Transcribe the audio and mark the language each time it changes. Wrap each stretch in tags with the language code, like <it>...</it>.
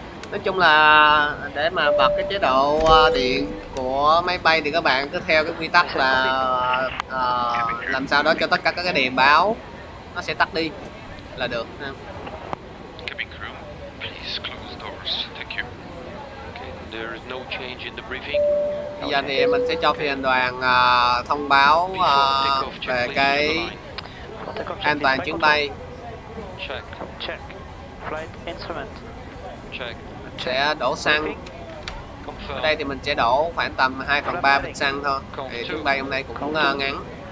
<vi>Nói chung là để mà bật cái chế độ điện của máy bay thì các bạn cứ theo cái quy tắc là làm sao đó cho tất cả các cái đèn báo nó sẽ tắt đi là được.</vi> <en>Cabin crew, please close doors. Thank you. Okay, there is no change in the briefing.</en> <vi>Bây giờ thì mình sẽ cho phi hành đoàn thông báo về cái an toàn chuyến bay.</vi> <en>Check. Check. Flight instrument. Check.</en> <vi>Sẽ đổ xăng. Ở đây thì mình sẽ đổ khoảng tầm 2/3 bình xăng thôi. Thì chuyến bay hôm nay cũng ngắn.</vi>